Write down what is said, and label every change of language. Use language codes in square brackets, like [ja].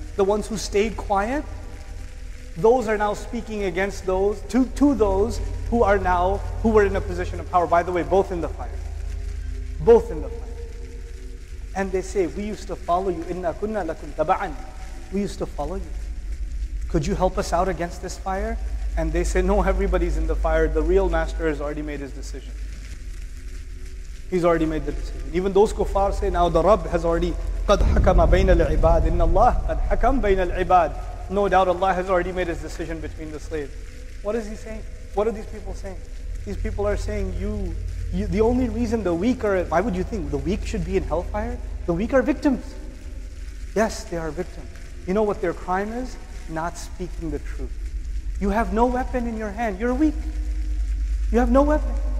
[en] The ones who stayed quiet, those are now speaking against those, to those who are now, who were in a position of power. By the way, both in the fire. Both in the fire. And they say, we used to follow you. [ar] Inna kunna lakum taba'an. [en] We used to follow you. Could you help us out against this fire? And they say, no, everybody's in the fire. The real master has already made his decision. He's already made the decision. Even those kuffar say, now the Rabb has already, [ar] قَدْ حَكَمَ بَيْنَ الْعِبَادِ إِنَّ اللَّهِ قَدْ حَكَمَ بَيْنَ الْعِبَادِ. [en] No doubt Allah has already made his decision between the slaves. What is he saying? What are these people saying? These people are saying, you, the only reason the weak are, why would you think the weak should be in hellfire? The weak are victims. Yes, they are victims. You know what their crime is? Not speaking the truth. You have no weapon in your hand. You're weak. You have no weapon.